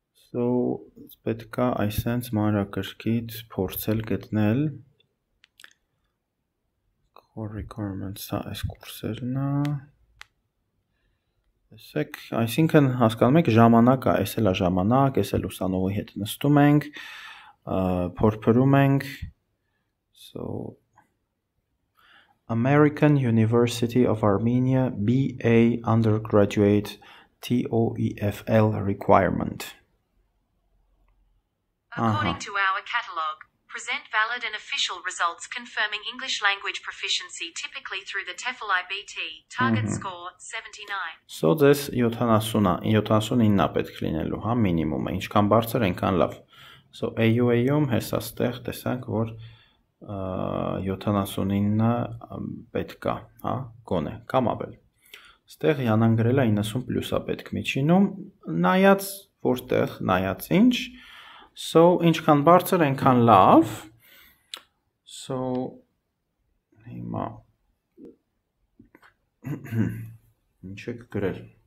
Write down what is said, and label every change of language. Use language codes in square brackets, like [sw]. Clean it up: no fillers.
[hy] So, պետք է այս sense մանրակրկից փորձել գտնել core requirements-ը այս կուրսերն է. Եսեք, այսինքն հասկանում եք ժամանակ է, այս էլ է ժամանակ, այս էլ ուսանողի հետ նստում ենք, փորփրում ենք. [en] So, American University of Armenia BA undergraduate TOEFL requirement. According to our catalog, present valid and official results confirming English language proficiency typically through the TEFL IBT. Target score 79. [hy] So this 70-ն, 79-ն պետք լինելու, հա, մինիմումը, ինչքան բարձր ենք ան լավ. So AUA-ում հեսա ստեղ տեսանք, որ 79-ը պետք է, հա, գոնե, կամ ավել։ Ստեղ յանանգրելա 90 պլյուսա պետք միջինում, նայած որտեղ, նայած ինչ։ So, ինչքան բարձր, այնքան լավ։ So, հիմա ինչ եք գրել։